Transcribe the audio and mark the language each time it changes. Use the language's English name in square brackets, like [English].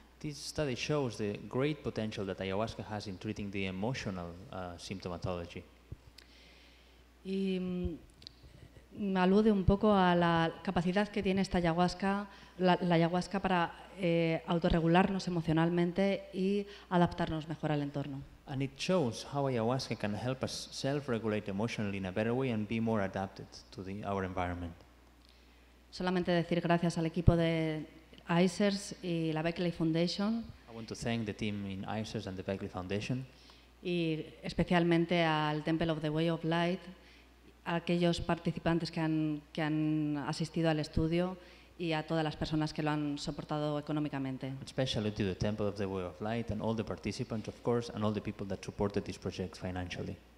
[English] This study shows the great potential that ayahuasca has in treating the emotional symptomatology. [Spanish] Y alude un poco a la capacidad que tiene esta ayahuasca, la ayahuasca para autorregularnos emocionalmente y adaptarnos mejor al entorno. [English] And it shows how ayahuasca can help us self-regulate emotionally in a better way and be more adapted to our environment. [Spanish] Solamente decir gracias al equipo de ICERS y la Beckley Foundation. [English] I want to thank the team in ICERS and the Beckley Foundation. [Spanish] Y especialmente al Temple of the Way of Light, a aquellos participantes que han asistido al estudio y a todas las personas que lo han soportado económicamente. [English] Especially to the Temple of the Way of Light and all the participants, of course, and all the people that supported this project financially.